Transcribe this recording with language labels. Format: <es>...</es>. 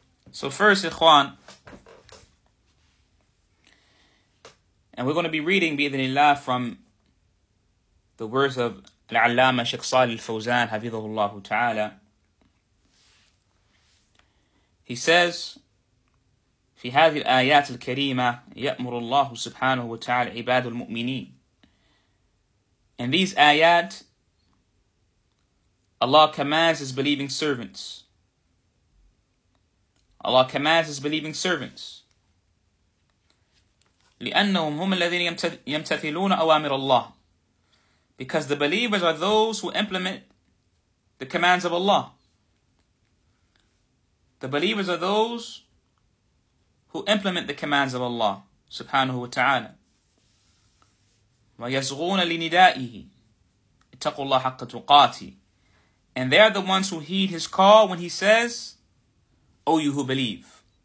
<en>So first, Ikhwan, and we're going to be reading, bi-idhnillah, from the words of Al-Allama Sheikh Salih Al-Fawzan, hafidhahullah ta'ala. He says,</en> <ar>في هذه الآيات الكريمة يأمر الله سبحانه وتعالى عباد المؤمنين.</ar> <en>In these ayat, Allah commands His believing servants. Allah commands His believing servants.</en> <ar>لأنهم هم الذين يمتثلون أوامر الله.</ar> <en>Because the believers are those who implement the commands of Allah. The believers are those who implement the commands of Allah subhanahu wa ta'ala.</en> <ar>وَيَزْغُونَ لِنِدَائِهِ اتَّقُوا اللَّهَ حَقَّ تُقَاتِ</ar> <en>And they are the ones who heed His call when He says, O you who believe.</en>